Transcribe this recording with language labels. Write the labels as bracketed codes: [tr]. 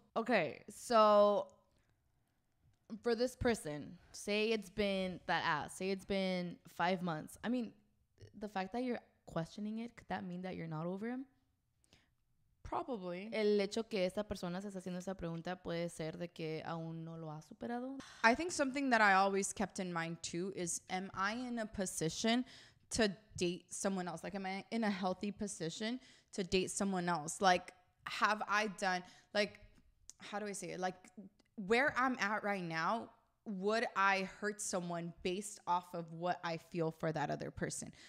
[en] Okay, so for this person, say it's been 5 months. I mean, the fact that you're questioning it, could that mean that you're not over him? Probably. [es] El hecho que esta persona se está haciendo esa pregunta puede ser de que aún no lo ha superado. [en] I think something that I always kept in mind too is, am I in a position to date someone else? Like, am I in a healthy position to date someone else? Like, have I done, like, how do I say it? Like, where I'm at right now, would I hurt someone based off of what I feel for that other person?